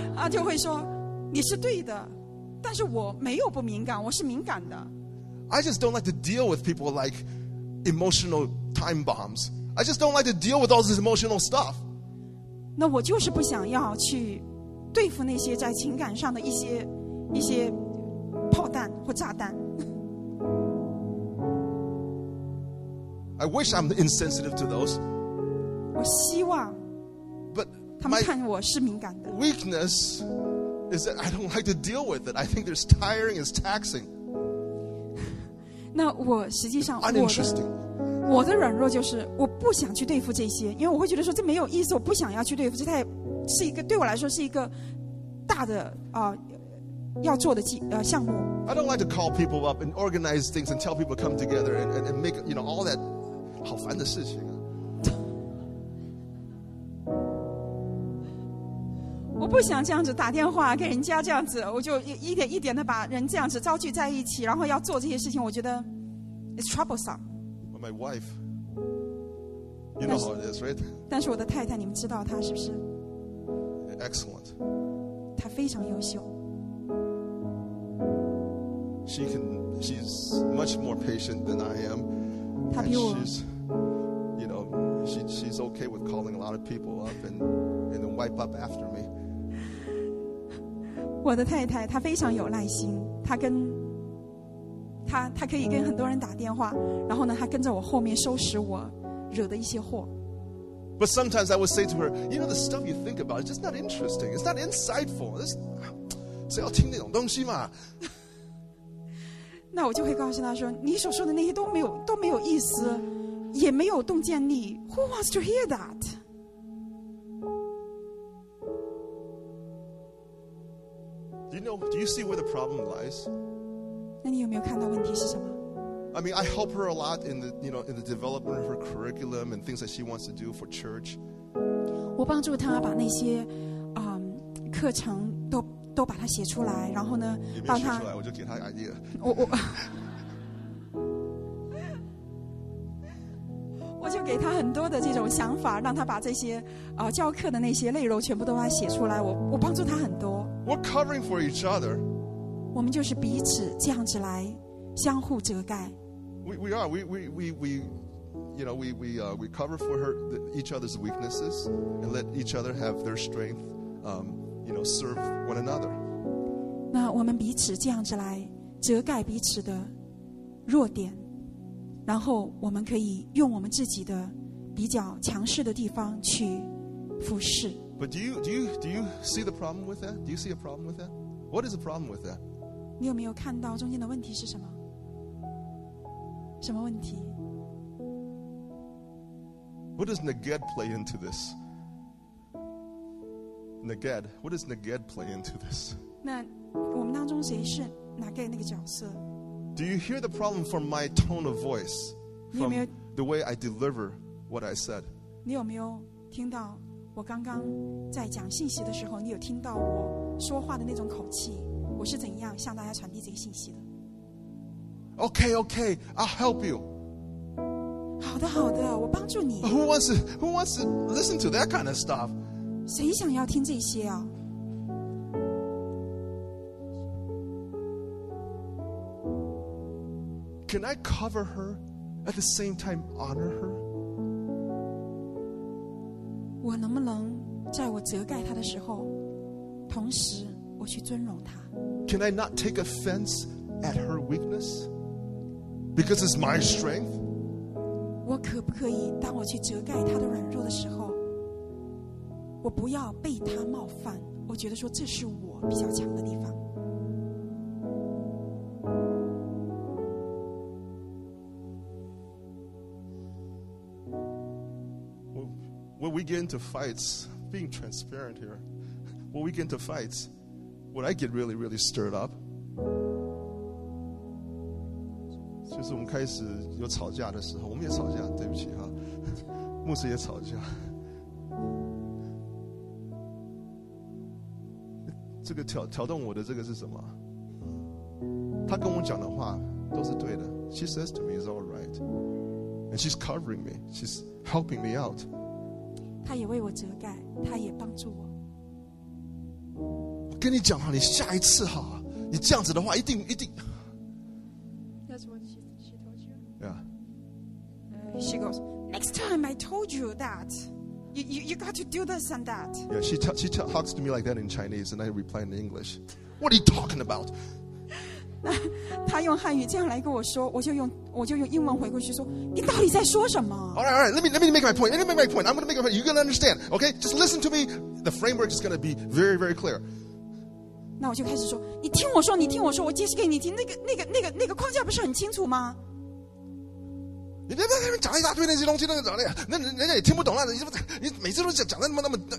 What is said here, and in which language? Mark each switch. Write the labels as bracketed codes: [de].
[zh] 就会说你是对的，但是我没有不敏感，我是敏感的。 [en] I just don't like to deal with people like emotional time bombs. I just don't like to deal with all this emotional stuff. [zh] 那我就是不想要去对付那些在情感上的一些炮弹或炸弹。 [en] I wish I'm insensitive to those. [zh] 我希望。 [en] But [zh] 他们看我是敏感的。 [en] Weakness is that I don't like to deal with it. I think it's tiring, it's taxing. [zh] 那我实际上 [en] uninteresting. [zh] 我的软弱就是我不想去对付这些，因为我会觉得说这没有意思，我不想要去对付，这太是一个对我来说是一个大的要做的项目。 [en] I don't like to call people up and organize things and tell people to come together and make you know all that [zh] 好烦的事情啊。我不想这样子打电话给人家，这样子我就一点一点的把人这样子召聚在一起，然后要做这些事情，我觉得 [en] it's troublesome. My wife, you know how it is, right? [zh] 但是我的太太，你们知道她是不是 [en] ？Excellent. [zh] 她非常优秀。 [en] She's much more patient than I am. [zh] 她比我。 [en] You know, she's okay with calling a lot of people up and wipe up after me. [zh] 我的太太她非常有耐心，她跟。他可以跟很多人打电话，然后呢，他跟着我后面收拾我惹的一些祸。 [en] But sometimes I would say to her, you know, the stuff you think about is just not interesting. It's not insightful. [zh] 谁要听那种东西嘛？那我就会告诉他说，你所说的那些都没有意思，也没有洞见力。 [en] Who wants to hear that? Do you see where the problem lies? [zh] 那你有没有看到问题是什么 [en] ？I mean, I help her a lot in the, you know, in the development of her curriculum and things that she wants to do for church. [zh] 我帮助她把那些，课程都把它写出来，然后呢，帮她。写出来，我就给她 idea。我就给她很多的这种想法，让她把这些教课的那些内容全部都把它写出来。我帮助她很多。 [en] We're covering for each other. [zh] 我们就是彼此这样子来相互遮盖。 [en] We cover for her each other's weaknesses and let each other have their strength, you know, serve one another. [zh] 那我们彼此这样子来遮盖彼此的弱点，然后我们可以用我们自己的比较强势的地方去服侍。 [en] But do you see the problem with that? Do you see a problem with that? What is the problem with that? [zh] 你有没有看到中间的问题是什么？什么问题 [en] ？What does neged play into this? Neged, what does neged play into this? [zh] 那我们当中谁是neged那个角色 [en] ？Do you hear the problem from my tone of voice? From the way I deliver what I said? [zh] 你有没有听到我刚刚在讲信息的时候，你有听到我说话的那种口气？我是怎样向大家传递这个信息的 [en] ？Okay, I'll help you. [zh] 好的，好的，我帮助你。 [en] Who wants to listen to that kind of stuff? [zh] 谁想要听这些啊 [en] ？Can I cover her at the same time honor her? [zh] 我能不能在我遮盖她的时候，同时我去尊荣她？ [en] Can I not take offense at her weakness? Because it's my strength? [zh] 我可不可以当我去遮盖她的软弱的时候，我不要被她冒犯，我觉得说这是我比较强的地方。 [en] When we get into fights, being transparent here, when we get into fights,When I get really, really stirred up, [zh] 就是我们开始有吵架的时候，我们也吵架， [en] 对不起哈，牧师也吵架。 [zh] 这个挑动我的这个是什么？他跟我讲的话都是对的。 [en] She says to me it's all right, and she's covering me, she's helping me out. [zh] 他也为我遮盖，他也帮助我。跟你讲哈，你下一次哈，你这样子的话，一定一定。 [en] That's what she told you. Yeah. she goes, next time I told you that, you got to do this and that. Yeah, she talks to me like that in Chinese, and I reply in English. What are you talking about? [zh] 她用汉语这样来跟我说，我就用英文回过去说，你到底在说什么？ [en] All right. Let me make my point. I'm gonna make my point. You're gonna understand, okay? Just listen to me. The framework is gonna be very, very clear. [zh] 那我就开始说，你听我说，我解释给你听。那个框架不是很清楚吗？你别在那边讲一大堆那些东西，那个咋的？那人家也听不懂了。你每次都讲的那么。